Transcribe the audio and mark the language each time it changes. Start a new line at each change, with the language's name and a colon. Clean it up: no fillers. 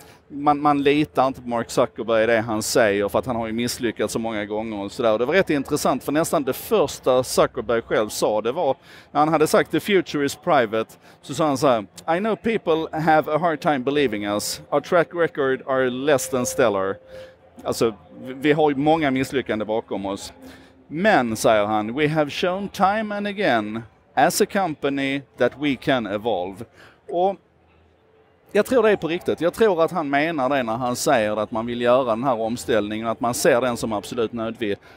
Swedish: Man litar inte på Mark Zuckerberg i det han säger, för att han har ju misslyckats så många gånger och sådär. Och det var rätt intressant, för nästan det första Zuckerberg själv sa, det var när han hade sagt
English: the future is private,
Swedish: så sa han så här:
English: I know people have a hard time believing us. Our track record are less than stellar.
Swedish: Alltså, vi har ju många misslyckanden bakom oss. Men, säger han,
English: we have shown time and again as a company that we can evolve.
Swedish: Och jag tror det är på riktigt. Jag tror att han menar det när han säger att man vill göra den här omställningen, att man ser den som absolut nödvändig.